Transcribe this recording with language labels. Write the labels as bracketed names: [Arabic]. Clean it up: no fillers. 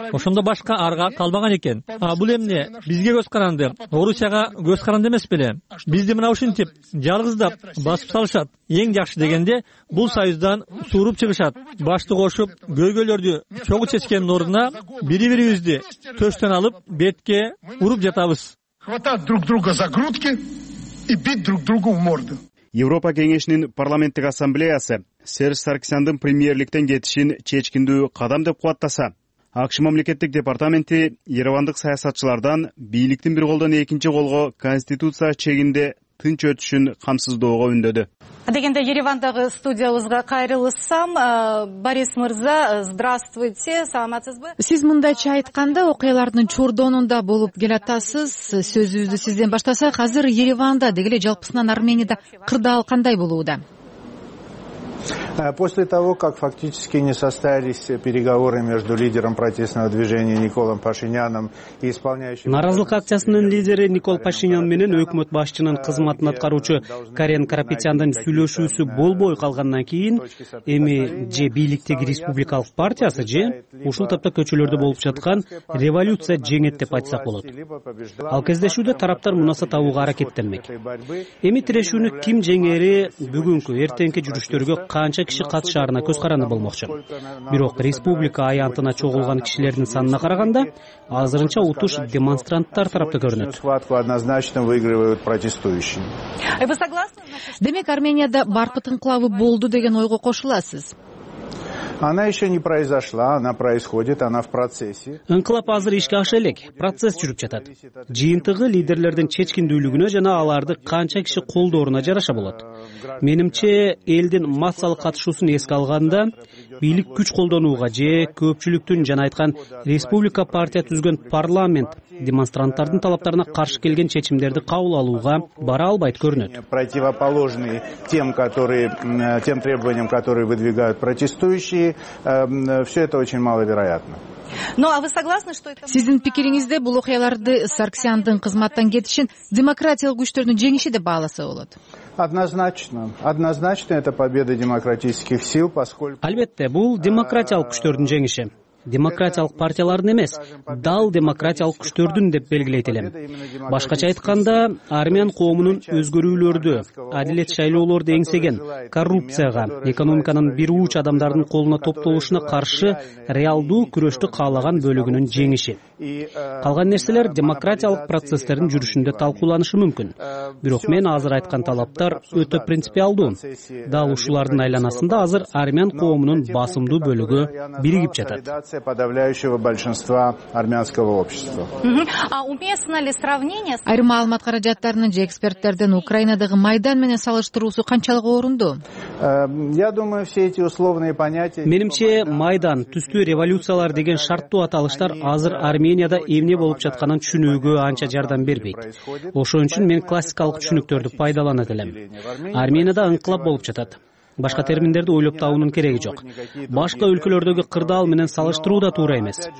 [Kyrgyz] Ошондо башка арга калбаган экен. А бул эмне? Бизге көз каранды, Орусияга көз каранды эмес беле? Бизди мына ушинтип жалгыздап басып салышат. Эң жакшы дегенде бул союздан сууруп чыгышат. Башты кошуп көйгөйлөрдү чогуу чечкендин ордуна бири бирибизди төштөн алып бетке уруп жатабыз. [Russian] Хватать друг друга за грудки и бить друг другу в морду. [Kyrgyz] Европа кеңешинин парламенттик ассамблеясы Серж Саркисяндын премьерликтен кетишин чечкиндүү кадам деп кубаттаса, АКШ мамлекеттик департаменти еревандык саясатчылардан бийликтин бир колдон экинчи колго конституция чегинде тынч өтүшүн камсыздоого үндөдү. Дегенде еревандагы студиябызга кайрылсам, Борис мырза, [Russian] здравствуйте, [Kyrgyz] саламатсызбы? Сиз мындайча айтканда окуялардын чордонунда болуп келатасыз. Сөзүбүздү сизден баштасак, азыр Ереванда деги эле жалпысынан Арменияда кырдаал кандай болууда? [Russian] После того, как фактически не состоялись переговоры между лидером протестного движения Николом Пашиняном и исполняющим... [Kyrgyz] Наразылык акциясынын лидери Никол Пашинян менен өкмөт башчынын кызматын аткаруучу Карен Карапетяндын сүйлөшүүсү болбой калгандан кийин, эми же бийликтеги республикалык партиясы же ушул тапта көчөлөрдө болуп жаткан революция жеңет деп айтсак болот. Ал кездешүүдө тараптар мунасат алууга аракеттенмек. Эми тирешүүнү ким жеңери бүгүнкү, эртеңки жүрүштөргө канча киши катышаарына көз каранды болмокчу. Бирок республика аянтына чогулган кишилердин санына караганда азырынча утуш демонстранттар тарапта көрүнөт. [Russian] Однозначно выигрывают протестующие. Вы согласны? [Kyrgyz] Демек Арменияда баркыт инкылабы болду деген ойго кошуласыз? [Russian] Она еще не произошла, она происходит, она в процессе. [Kyrgyz] Инкылап азыр ишке аша элек, процесс жүрүп жатат. Жыйынтыгы лидерлердин чечкиндүүлүгүнө жана аларды канча киши колдоруна жараша болот. Менимче, элдин массалык катышуусун эске алганда, бийлик күч колдонууга же көпчүлүктүн жана айткан республика партия түзгөн парламент демонстранттардын талаптарына каршы келген чечимдерди кабыл алууга бара албайт көрүнөт. [Russian] Противоположные тем, которые тем требованиям, которые выдвигают протестующие, все это очень маловероятно. Ну, а вы согласны, что это... [Kyrgyz] Сиздин пикириңизде бул окуяларды Саркисяндын кызматтан кетишин демократиялык күчтөрдүн жеңиши деп бааласа болот? [Russian] Однозначно. Однозначно это победа демократических сил, поскольку... [Kyrgyz] Албетте, бул демократиялык күчтөрдүн жеңиши. Демократиялык партиялардын эмес, дал демократиялык күчтөрдүн деп белгилейт элем. Башкача айтканда, армян коомунун өзгөрүүлөрдү, адилет шайлоолорду эңсеген, коррупцияга, экономиканын бир ууч адамдардын колуна топтолушуна каршы реалдуу күрөштү каалаган бөлүгүнүн жеңиши. Калган нерселер демократиялык процесстердин жүрүшүндө талкууланышы мүмкүн. Бирок мен азыр айткан талаптар өтө принципиалдуу. Дал ушулардын айланасында азыр армян коомунун басымдуу бөлүгү биригип жатат. [Russian] Подавляющего большинства армянского общества. А уместно ли сравнение с... [Kyrgyz] Айрым алмат каражаттарынын же эксперттерден Украинадагы майдан менен салыштыруусу канчалык орунду? [Russian] Я думаю, все эти условные понятия... [Kyrgyz] Менимче, майдан, түстүү революциялар деген шарттуу аталыштар азыр Арменияда эмне болуп жатканын түшүнүүгө анча жардам бербейт. Ошон үчүн мен классикалык түшүнүктөрдү пайдаланат элем. Арменияда инкылап болуп жатат. Башка терминдерди ойлоп табуунун кереги жок. Башка өлкөлөрдөгү кырдаал менен салыштыруу да туура эмес.